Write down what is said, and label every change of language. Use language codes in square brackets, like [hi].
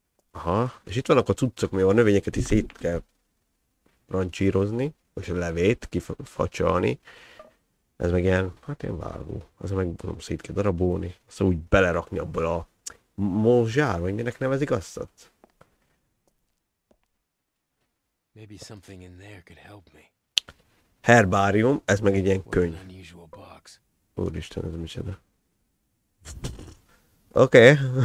[hu] Aha, és itt vannak a cuccok, mivel a növényeket is szét kell rancsírozni, és a levét kifacsalni. Ez meg ilyen, hát ilyen vágó. Ez meg mondom, szét kell darabolni. Szóval úgy belerakni abból a mozsár, vagy minek nevezik azt? [en] Maybe something in there could help me. [hu] Herbárium, ez meg egy ilyen könyv. Úristen, ez micsoda. Oké.